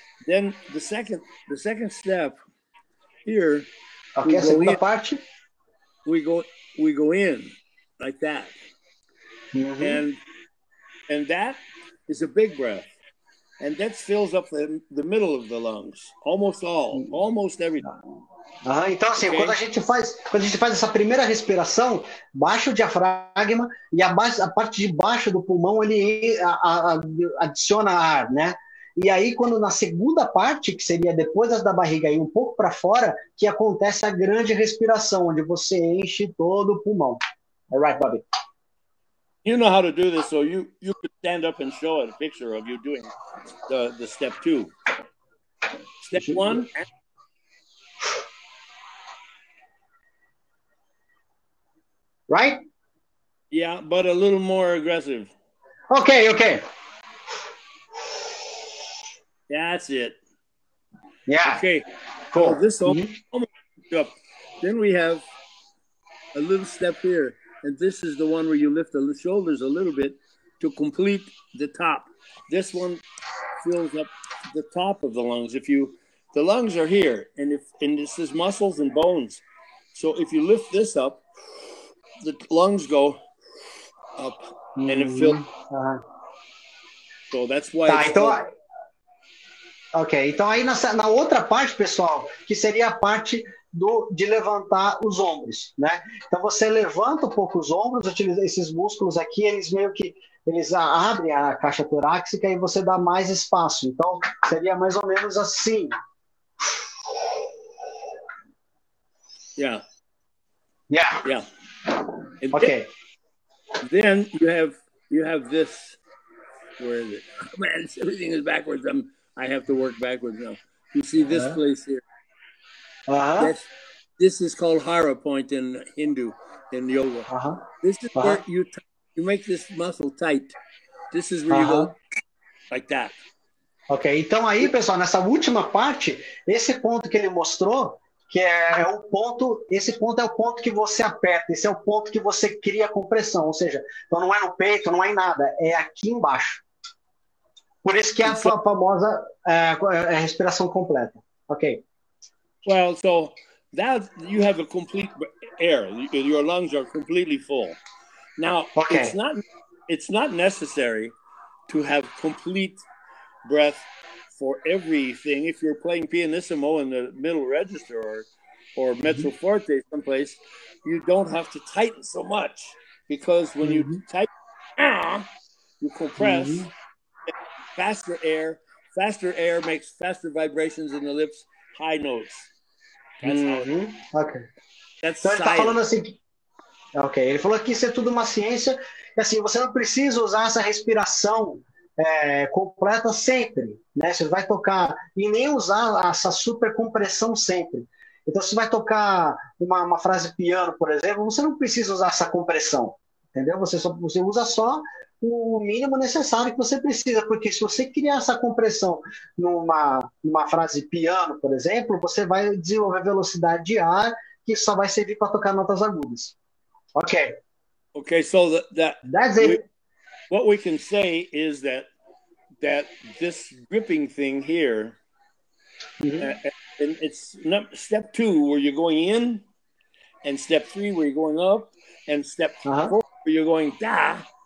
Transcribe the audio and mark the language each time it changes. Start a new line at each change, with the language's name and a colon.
English: Then the second step here.
Portuguese: Okay, a segunda parte.
English: We go in like that. Mm-hmm. And that is a big breath. And that fills up the middle of the lungs, almost all, almost everything.
Portuguese: Uh-huh. Então assim, okay. quando a gente faz essa primeira respiração, baixa o diafragma e a parte de baixo do pulmão ele adiciona ar, né? E aí quando na segunda parte, que seria depois das da barriga e um pouco para fora, que acontece a grande respiração, onde você enche todo o pulmão.
English: All right, Bobby. You know how to do this, so you could stand up and show a picture of you doing the step two. Step one. Right? Yeah, but a little more aggressive. Okay. That's it. Yeah. Okay, cool. So this almost. Then we have a little step here. And this is the one where you lift the shoulders a little bit to complete the top. This one fills up the top of the lungs. The lungs are here, and this is muscles and bones. So if you lift this up, the lungs go up and it fills. Uh-huh. So that's why.
Portuguese: Tá, então, ok, então aí na outra parte, pessoal, que seria a parte de levantar os ombros, né? Então você levanta um pouco os ombros, utiliza esses músculos aqui, eles meio que eles abrem a caixa torácica e você dá mais espaço. Então seria mais ou menos assim.
English: Yeah. And okay. Then you have this. Where is it? Oh, man, everything is backwards. I have to work backwards now. You see this place here? Uh-huh. This is called Hara point in yoga. Uh-huh. This is where you make this muscle tight. This is where you go like that. Okay.
Portuguese: Então aí, pessoal, nessa última parte, esse ponto que ele mostrou. Que é o ponto, esse ponto é o ponto que você aperta, esse é o ponto que você cria compressão, ou seja, então não é no peito, não é em nada, é aqui embaixo. Por isso que é a famosa respiração completa. Ok.
English: Well, so that you have a complete air, your lungs are completely full. Now, it's not necessary to have complete breath for everything. If you're playing pianissimo in the middle register or mezzo forte someplace, you don't have to tighten so much, because when you tighten, you compress faster air makes faster vibrations in the lips, high notes. That's how it is. Okay.
Portuguese: Então ele tá falando assim, okay, ele falou que isso é tudo uma ciência, e assim, você não precisa usar essa respiração completa sempre, né? Você vai tocar e nem usar essa super compressão sempre. Então, se você vai tocar uma frase piano, por exemplo, você não precisa usar essa compressão, entendeu? Você usa só o mínimo necessário que você precisa, porque se você criar essa compressão numa frase piano, por exemplo, você vai desenvolver velocidade de ar que só vai servir para tocar notas agudas. Ok.
English: Ok, so that's it. What we can say is that this gripping thing here, and it's not, step two where you're going in, and step three where you're going up, and step four where you're going da.